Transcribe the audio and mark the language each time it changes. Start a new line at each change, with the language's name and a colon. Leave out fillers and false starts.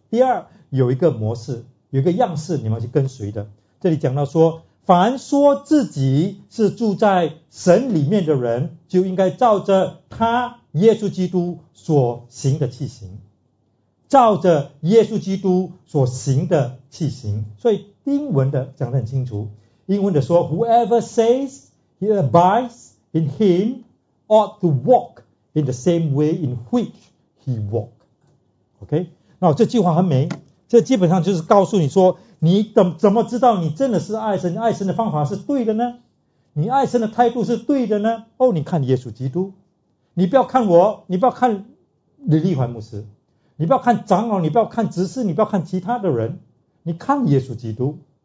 Chinese: 第二，有一个模式，有一个样式，你们要去跟随的。这里讲到说，凡说自己是住在神里面的人，就应该照着他耶稣基督所行的器型。照着耶稣基督所行的器型。所以英文的讲得很清楚，英文的说
English: Whoever says he abides in him ought to walk in the same way in which he walked。
Chinese: OK， 那这句话很美，这基本上就是告诉你说，你怎么知道你真的是爱神，爱神的方法是对的呢？你爱神的态度是对的呢？哦，你看耶稣基督，你不要看我，你不要看李立怀牧师，你不要看长老，你不要看执事，你不要看其他的人，你看耶稣基督。